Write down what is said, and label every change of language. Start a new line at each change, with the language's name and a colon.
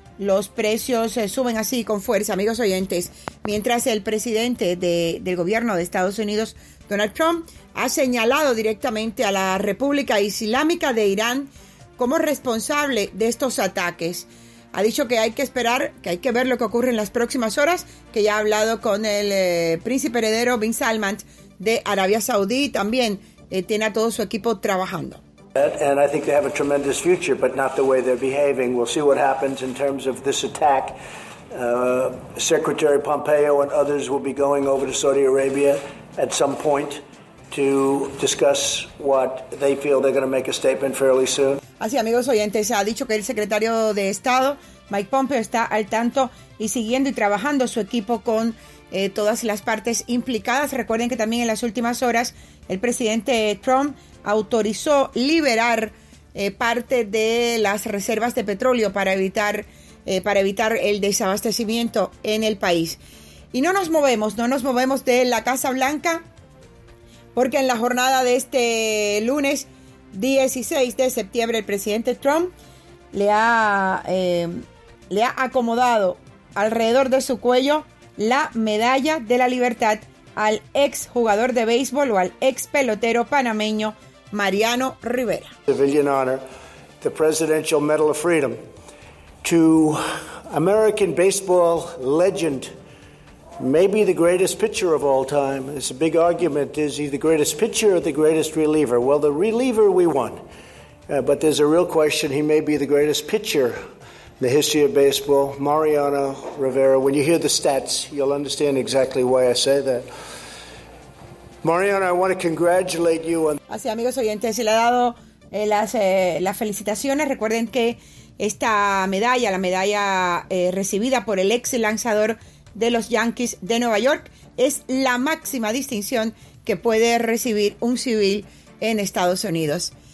Spanish: Los precios suben así con fuerza, amigos oyentes, mientras el presidente del gobierno de Estados Unidos, Donald Trump, ha señalado directamente a la República Islámica de Irán como responsable de estos ataques. Ha dicho que hay que esperar, que hay que ver lo que ocurre en las próximas horas, que ya ha hablado con el príncipe heredero Bin Salman de Arabia Saudí y también tiene a todo su equipo trabajando.
English: And I think they have a tremendous future, but not the way they're behaving. We'll see what happens in terms of this attack. Secretary Pompeo and others will be going over to Saudi Arabia at some point to discuss what they feel they're going to make a statement fairly soon.
Spanish: Así, amigos oyentes, ha dicho que el secretario de Estado, Mike Pompeo, está al tanto y siguiendo y trabajando su equipo con todas las partes implicadas. Recuerden que también en las últimas horas el presidente Trump autorizó liberar parte de las reservas de petróleo para evitar el desabastecimiento en el país. Y no nos movemos de la Casa Blanca, porque en la jornada de este lunes 16 de septiembre el presidente Trump le ha acomodado alrededor de su cuello la Medalla de la Libertad al ex jugador de béisbol o al ex pelotero panameño Mariano Rivera.
English: Civilian honor, the Presidential Medal of Freedom, to American baseball legend, maybe the greatest pitcher of all time. It's a big argument, is he the greatest pitcher or the greatest reliever? Well, the reliever we won, but there's a real question, he may be the greatest pitcher in the history of baseball, Mariano Rivera. When you hear the stats, you'll understand exactly why I say that. Mariano, I want to congratulate you on...
Spanish: Así, amigos oyentes, se le ha dado las felicitaciones. Recuerden que esta medalla, la medalla recibida por el ex lanzador de los Yankees de Nueva York, es la máxima distinción que puede recibir un civil en Estados Unidos.